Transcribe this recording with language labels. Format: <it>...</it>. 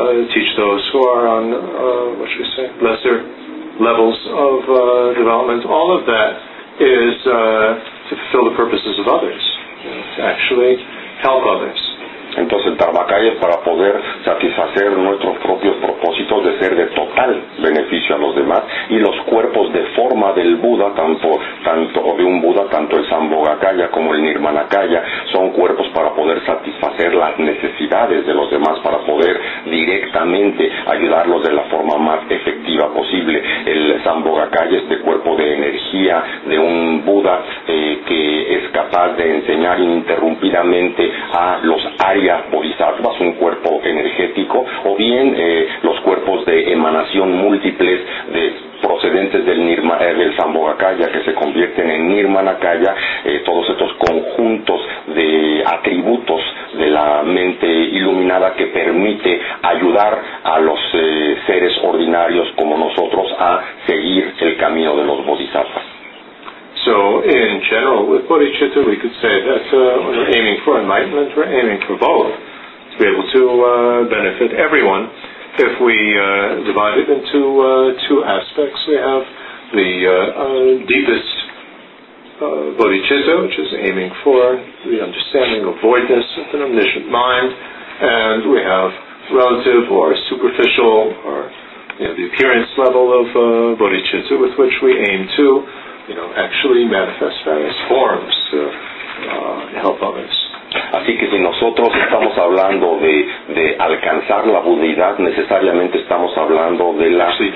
<en>teach those who are on, what should we say, lesser levels of development, all of that is to fulfill the purposes of others, to actually help others.</en> <es>Entonces el Dharmakaya es para poder satisfacer nuestros propios propósitos de ser de total beneficio a los demás, y los cuerpos de forma del Buda, tanto el Sambhogakaya como el Nirmanakaya, son cuerpos para poder satisfacer las necesidades de los demás, para poder directamente ayudarlos de la forma más efectiva posible. El Sambhogakaya es de cuerpo de energía de un Buda que es capaz de enseñar ininterrumpidamente a los aryas bodhisattvas, un cuerpo energético, o bien los cuerpos de emanación múltiples de procedentes del del Sambhogakaya, que se convierten en Nirmanakaya, todos estos conjuntos de atributos de la mente iluminada que permite ayudar a los seres ordinarios como nosotros a seguir el camino de los bodhisattvas.</es> <en>So, in general, with bodhicitta, we could say that we're aiming for enlightenment, we're aiming for both, to be able to benefit everyone. If we divide it into two aspects, we have the deepest bodhicitta, which is aiming for the understanding of voidness of an omniscient mind, and we have relative or superficial or the appearance level of bodhicitta with which we aim to actually manifest various forms to help others.</en> <es>Así que si nosotros estamos hablando de alcanzar la budeidad, necesariamente estamos hablando de la...</es>